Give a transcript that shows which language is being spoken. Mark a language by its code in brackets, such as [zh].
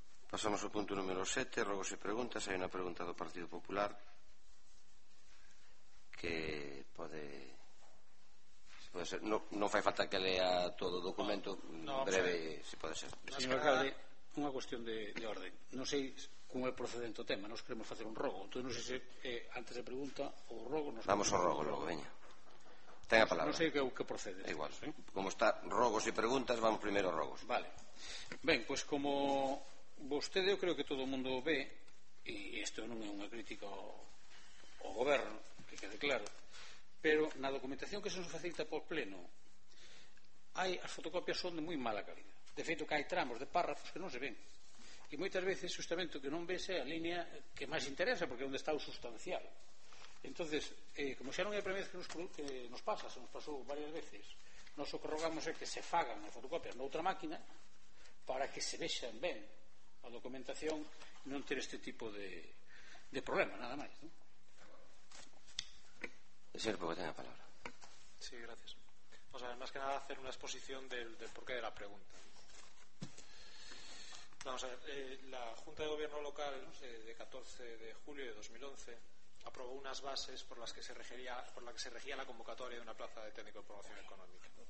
[gl] Pasamos ao punto número 7, rogos e preguntas. Hai unha pregunta do Partido Popular que pode... Pode ser. No, non fai falta que lea todo o documento. No, breve, se pode ser. Señor alcalde, unha cuestión de orde. Non sei como é procedente o tema, nos queremos facer un rogo. Entón, non sei se antes de pregunta, o rogo... Vamos ao rogo, logo, veña. [es] Tenga palabra. No sé qué procede. Igual. ¿Sí? Como está rogos y preguntas, vamos primero a rogos. Vale. Ben, pues como usted, yo creo que todo el mundo ve, y esto no es una crítica o gobierno, que quede claro, pero en la documentación que se nos facilita por pleno, hay las fotocopias son de muy mala calidad. De hecho, que hay tramos de párrafos que no se ven. Y muchas veces, justamente, que no ves a la línea que más interesa, porque es donde está lo sustancial. [gl] Entonces, como xa non é a primeira vez que nos pasa, se nos pasou varias veces, nos o que rogamos é que se fagan as fotocopias noutra máquina para que se vexan ben a documentación e non ter este tipo de problema, nada máis, ¿no? Señor, porque ten a palabra. [es] Sí, gracias. O sea, más que nada, hacer una exposición del porqué de la pregunta. Vamos a ver, la Junta de Gobierno Local de 14 de julio de 2011 aprobó unas bases por las que se regía la convocatoria de una plaza de técnico de promoción económica.